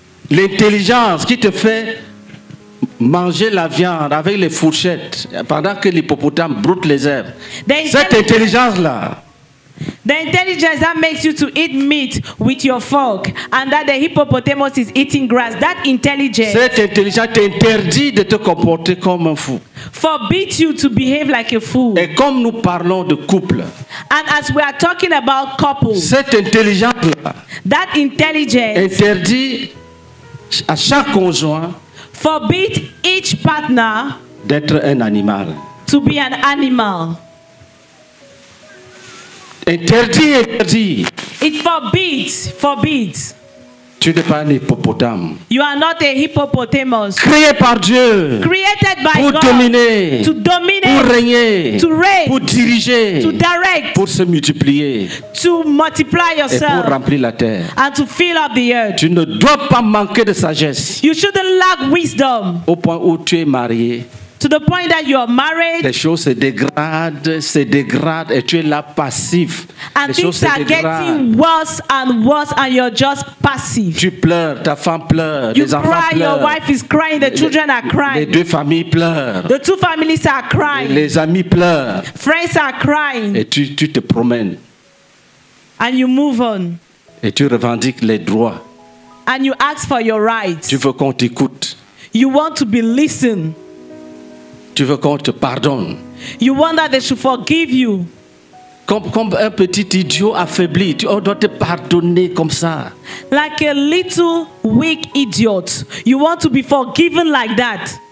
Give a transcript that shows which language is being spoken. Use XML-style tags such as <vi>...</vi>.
<fr>L'intelligence qui te fait manger la viande avec les fourchettes pendant que l'hippopotame broute les herbes. Cette intelligence-là.</fr> <en>The intelligence that makes you to eat meat with your fork and that the hippopotamus is eating grass, that intelligence.</en> <fr>Cette intelligence t'interdit de te comporter comme un fou.</fr> <en>Forbids you to behave like a fool.</en> <fr>Et comme nous parlons de couple.</fr> <en>And as we are talking about couples.</en> <fr>Cette intelligence-là.</fr> <en>That intelligence.</en> <fr>Interdit à chaque conjoint.</fr> <en>Forbid each partner</en> <fr>d'être un animal.</fr> <en>To be an animal.</en> <fr>Interdit, interdit.</fr> <en>It forbids.</en> <fr>Tu n'es pas un hippopotame.</fr> <en>You are not a hippopotamus.</en> <fr>Créé par Dieu.</fr> <en>Created by</en> <fr>pour</fr> <en>God.</en> <fr>Pour dominer.</fr> <en>To dominate.</en> <fr>Pour régner.</fr> <en>To reign.</en> <fr>Pour diriger.</fr> <en>To direct.</en> <fr>Pour se multiplier.</fr> <en>To multiply yourself.</en> <fr>Et pour remplir la terre.</fr> <en>And to fill up the earth.</en> <fr>Tu ne dois pas manquer de sagesse.</fr> <en>You shouldn't lack wisdom.</en> <fr>Au point où tu es marié.</fr> <en>To the point that you are married.</en> <fr>Les choses se dégradent et tu es là passif.</fr> <en>And things are getting worse and you're just passive.</en> <fr>Tu pleures, ta femme pleure,</fr> <en>you</en> <fr>les enfants</fr> <en>cry,</en> <fr>pleurent.</fr> <en>Your wife is crying, the children are crying.</en> <fr>Les deux familles pleurent.</fr> <en>The two families are crying.</en> <fr>Les amis pleurent.</fr> <en>Friends are crying.</en> <fr>Et tu te promènes.</fr> <en>And you move on.</en> <fr>Et tu revendiques les droits.</fr> <en>And you ask for your rights.</en> <fr>Tu veux qu'on t'écoute.</fr> <en>You want to be listened.</en> <fr>Tu veux qu'on te pardonne.</fr> <en>You want that they should forgive you.</en> <fr>Comme un petit idiot affaibli, on doit te pardonner comme ça.</fr> <en>Like a little weak idiot, you want to be forgiven like that?</en>